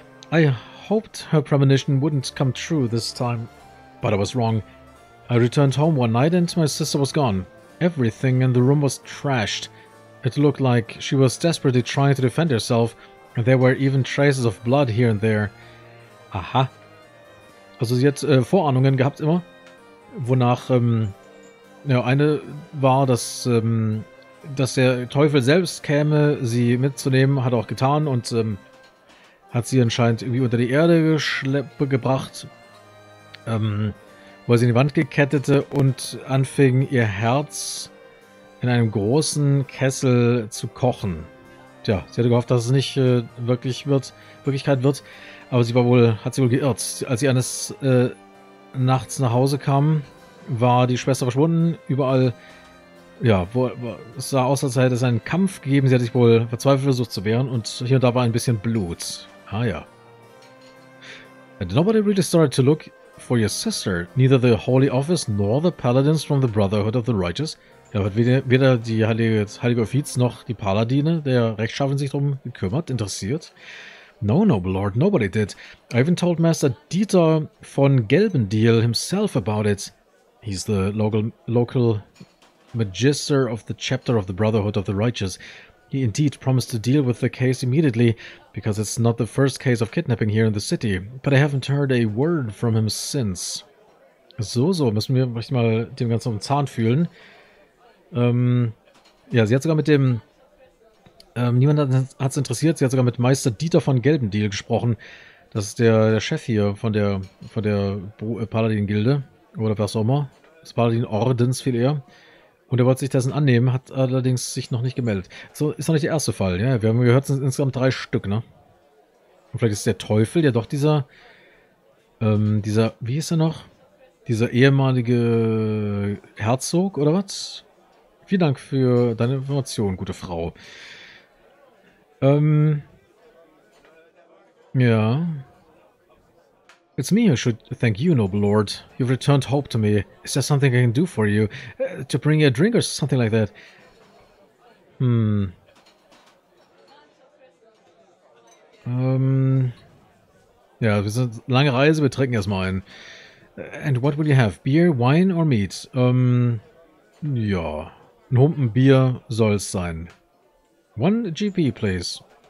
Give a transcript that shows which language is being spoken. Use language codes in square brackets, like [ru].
[en] I hoped her premonition wouldn't come true this time, but I was wrong. I returned home one night and my sister was gone. Everything in the room was trashed. It looked like she was desperately trying to defend herself, and there were even traces of blood here and there. Aha. [de] Also sie hat Vorahnungen gehabt immer, wonach ja, eine war, dass dass der Teufel selbst käme, sie mitzunehmen, hat auch getan und hat sie anscheinend irgendwie unter die Erde gebracht, wo sie in die Wand gekettete und anfing, ihr Herz in einem großen Kessel zu kochen. Tja, sie hatte gehofft, dass es nicht Wirklichkeit wird, aber sie war wohl, hat sie wohl geirrt. Als sie eines nachts nach Hause kam, war die Schwester verschwunden, überall, ja, es sah aus, als hätte es einen Kampf gegeben, sie hat sich wohl verzweifelt versucht zu wehren und hier und da war ein bisschen Blut. Ah ja. [en] And nobody really started to look for your sister, neither the Holy Office nor the Paladins from the Brotherhood of the Righteous. [de] Ja, hat weder die Heilige Offiz noch die Paladine, der Rechtschaffen sich drum gekümmert, interessiert. [en] No, noble lord, nobody did. I even told Master Dieter von Gelbendiel himself about it. He's the local magister of the chapter of the Brotherhood of the Righteous. He indeed promised to deal with the case immediately, because it's not the first case of kidnapping here in the city. But I haven't heard a word from him since. [de] So, so, müssen wir vielleicht mal dem Ganzen auf den Zahn fühlen. Ja, sie hat sogar mit dem... niemand hat es interessiert, sie hat sogar mit Meister Dieter von Gelbendiel gesprochen. Das ist der Chef hier von der Paladin-Gilde. Oder was auch immer. Das Paladin-Ordens viel eher. Und er wollte sich dessen annehmen, hat allerdings sich noch nicht gemeldet. So, ist noch nicht der erste Fall, ja. Wir haben gehört, es sind insgesamt 3 Stück, ne? Und vielleicht ist der Teufel ja doch dieser... dieser... Wie ist er noch? Dieser ehemalige Herzog, oder was? Vielen Dank für deine Information, gute Frau. Ja... [en] It's me who should thank you, noble lord. You've returned hope to me. Is there something I can do for you? To bring you a drink or something like that? [de] Ja, wir sind lange Reise, wir trinken erstmal ein. [en] And what will you have? Beer, wine or meat? [de] Ja. Ein Humpen Bier soll es sein. [en] 1 GP, please.